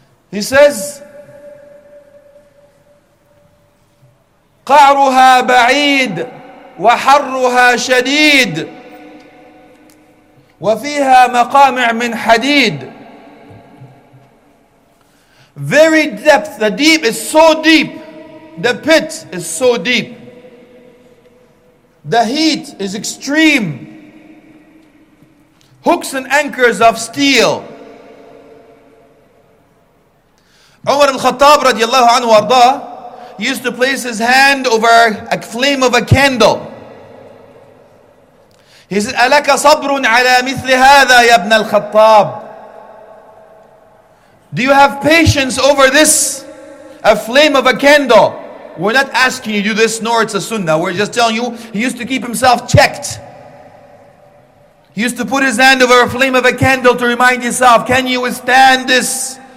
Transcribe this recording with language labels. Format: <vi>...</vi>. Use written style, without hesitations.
<en>He says,</en> <ar>قعرها بعيد وحرها شديد وفيها مقامع من حديد.</ar> <en>Very depth, the deep is so deep. The pit is so deep. The heat is extreme. Hooks and anchors of steel. Umar al-Khattab radiallahu anhu arda used to place his hand over a flame of a candle. He said,</en> <ar>أَلَكَ صَبْرٌ عَلَى مِثْلِ هَذَا يَا ابْنَ الْخَطَّابِ.</ar> <en>Do you have patience over this? A flame of a candle. We're not asking you to do this, nor it's a sunnah. We're just telling you, he used to keep himself checked. He used to put his hand over a flame of a candle to remind himself, can you withstand this?</en>